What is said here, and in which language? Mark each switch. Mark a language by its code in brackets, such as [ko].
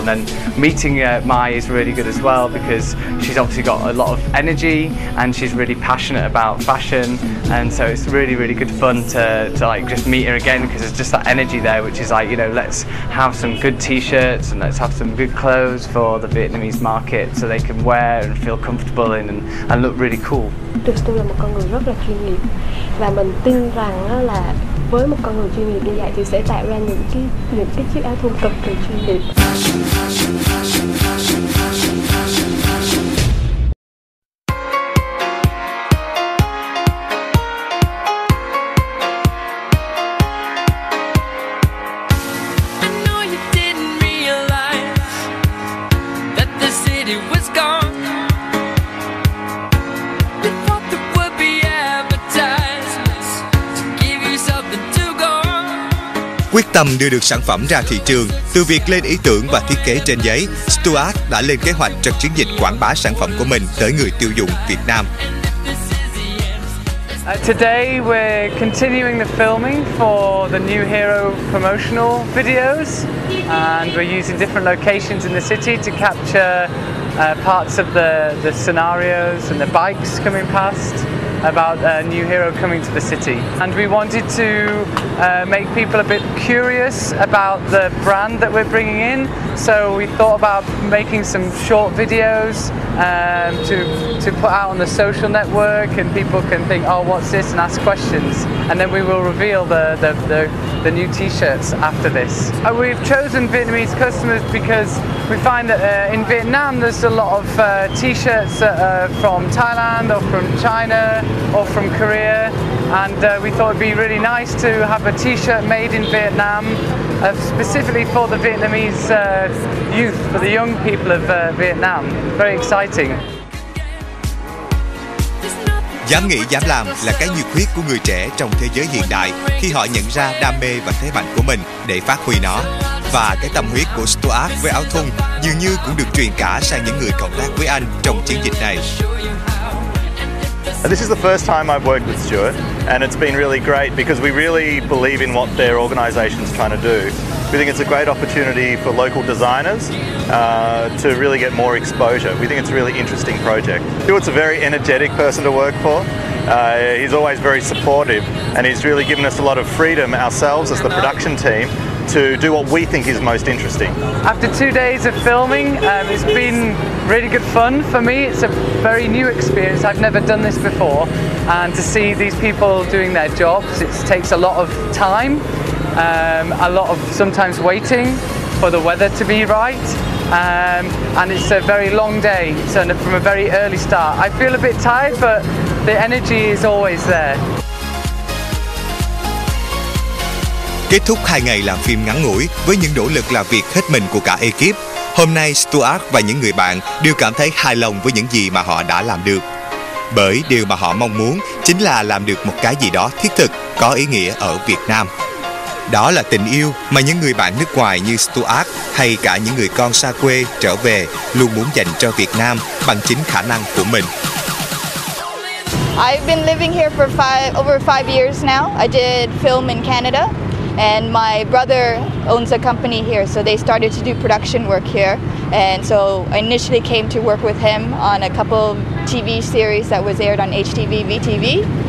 [en] And then meeting Mai is really good as well, because she's obviously got a lot of energy and she's really passionate about fashion. And so it's really, really good fun to like just meet her again, because there's just that energy there, which is like, you know, let's have some good t-shirts and let's have some good clothes for the Vietnamese market so they can wear and feel comfortable in and look really cool. [vi] Tôi là một con người rất là chuyên nghiệp, và mình tin rằng là với một con người chuyên nghiệp như vậy thì sẽ tạo ra những cái chiếc áo thun cực kỳ chuyên nghiệp. Quyết tâm đưa được sản phẩm ra thị trường, từ việc lên ý tưởng và thiết kế trên giấy, Stuart đã lên kế hoạch cho chiến dịch quảng bá sản phẩm của mình tới người tiêu dùng Việt Nam. [en] Today we're continuing the filming for the new hero promotional videos, and we're using different locations in the city to capture parts of the scenarios and the bikes coming past about a new hero coming to the city. And we wanted to make people a bit curious about the brand that we're bringing in. So we thought about making some short videos to put out on the social network, and people can think, oh, what's this, and ask questions. And then we will reveal the new t-shirts after this. We've chosen Vietnamese customers because we find that in Vietnam there's a lot of t-shirts that are from Thailand or from China or from Korea, and we thought it'd be really nice to have a t-shirt made in Vietnam specifically for the Vietnamese youth, for the young people of Vietnam. Very exciting. [vi] Dám nghĩ dám làm là cái nhiệt huyết của người trẻ trong thế giới hiện đại, khi họ nhận ra đam mê và thế mạnh của mình để phát huy nó. Và cái tâm huyết của Stuart với áo thun dường như cũng được truyền cả sang những người cộng tác với anh trong chiến dịch này. [en] This is the first time I've worked with Stuart, and it's been really great because we really believe in what their organization's trying to do. We think it's a great opportunity for local designers to really get more exposure. We think it's a really interesting project. Stuart's a very energetic person to work for. He's always very supportive, and he's really given us a lot of freedom ourselves as the production team to do what we think is most interesting. After 2 days of filming, it's been really good fun for me. It's a very new experience. I've never done this before, and to see these people doing their jobs, it takes a lot of time, a lot of sometimes waiting for the weather to be right, And it's a very long day, so from a very early start. I feel a bit tired, but the energy is always there. [vi] Kết thúc 2 ngày làm phim ngắn ngủi với những nỗ lực làm việc hết mình của cả ekip, hôm nay Stuart và những người bạn đều cảm thấy hài lòng với những gì mà họ đã làm được. Bởi điều mà họ mong muốn chính là làm được một cái gì đó thiết thực, có ý nghĩa ở Việt Nam. Đó là tình yêu mà những người bạn nước ngoài như Stuart hay cả những người con xa quê trở về luôn muốn dành cho Việt Nam bằng chính khả năng của mình. [en] I've been living here for over five years now. I did film in Canada. And my brother owns a company here, so they started to do production work here. And so I initially came to work with him on a couple TV series that was aired on HTV, VTV.